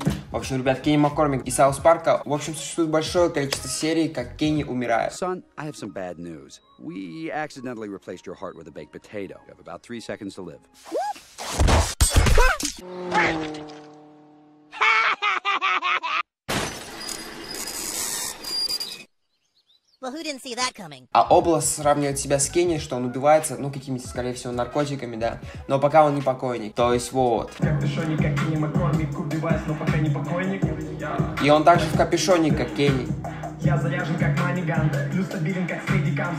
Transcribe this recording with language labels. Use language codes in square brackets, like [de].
[ru] В общем, ребят, Кенни Маккормик и Саус Парка, в общем, существует большое количество серий, как Кенни умирает. [en] Son, I have some bad news. We accidentally replaced your heart with a baked potato. You have about 3 seconds to live. Well, who didn't see that coming? [ru] А Облас сравнивает себя с Кенни, что он убивается, ну, какими-то, скорее всего, наркотиками, да. Но пока он не покойник. То есть вот. Капюшоне, как Кенни Маккормик, убивается, но пока не покойник. И он также в капюшоне, как Кенни. Я заряжен, как маниган, плюс стабилен, как стейдикам.